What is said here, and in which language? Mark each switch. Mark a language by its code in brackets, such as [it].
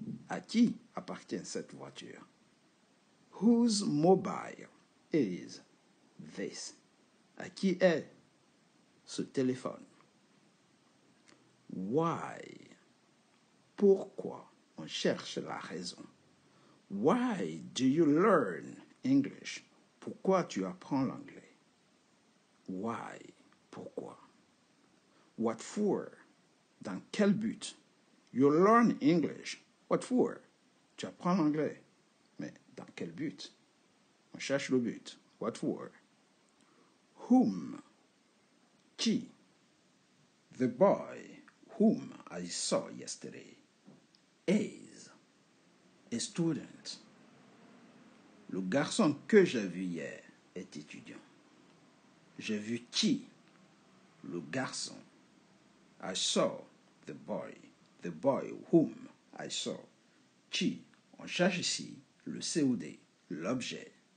[fr] À qui appartient cette voiture? [en] Whose mobile is this? [fr] À qui est ce téléphone? [en] Why? [fr] Pourquoi on cherche la raison? [en] Why do you learn English? [fr] Pourquoi tu apprends l'anglais? [en] Why? [fr] Pourquoi? [en] What for? [fr] Dans quel but? [en] You learn English. What for? [fr] Tu apprends l'anglais. Mais dans quel but? On cherche le but. [en] What for? Whom? [fr] Qui? [en] The boy whom I saw yesterday is a student. [fr] Le garçon que j'ai vu hier est étudiant. J'ai vu qui? Le garçon. [en] I saw the boy. The boy whom I saw. [fr] Qui? On cherche ici le COD, l'objet.